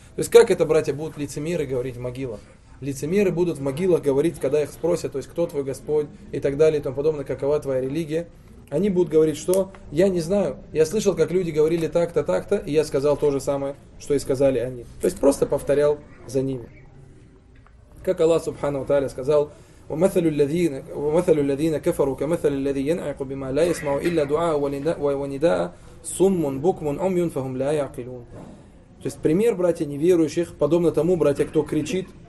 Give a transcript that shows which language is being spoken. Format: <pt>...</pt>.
<ru>То есть как это, братья, будут лицемеры говорить в могилах? Лицемеры будут в могилах говорить, когда их спросят, то есть кто твой Господь и так далее и тому подобное, какова твоя религия. Они будут говорить, что я не знаю, я слышал, как люди говорили так-то, так-то, и я сказал то же самое, что и сказали они. То есть просто повторял за ними. Как Аллах Субхану Тааля сказал,</ru> <ar>وَمَثَلُ الَّذِينَ كَفَرُوا كَمَثَلِ الَّذِي يَنْعِقُ بِمَا لَا يَسْمَعُ إِلَّا دُعَاءَ وَنِدَاءَ صُمٌّ بُكْمٌ عُمْيٌ فَهُمْ لَا يَعْقِلُونَ.</ar> <ru>То есть пример, братья неверующих, подобно тому, братья, кто кричит.</ru>